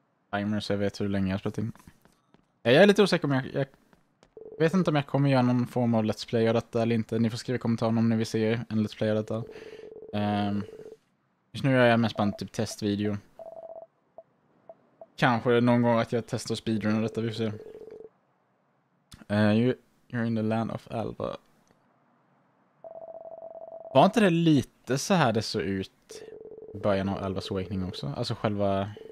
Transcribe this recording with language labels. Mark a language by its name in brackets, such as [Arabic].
[Swedish] Timers, jag vet hur länge jag har spelat in. Jag är lite osäker om jag vet inte om jag kommer göra någon form av let's play av detta eller inte. Ni får skriva i kommentaren om ni vill se en let's play av detta. Just nu gör jag mest bara en typ testvideo. Kanske någon gång att jag testar speedrun av detta, vi får se. [English] You're in the land of Alva. [Swedish] Var inte det lite så här det såg ut i början av Alva's Awakening också? Alltså själva...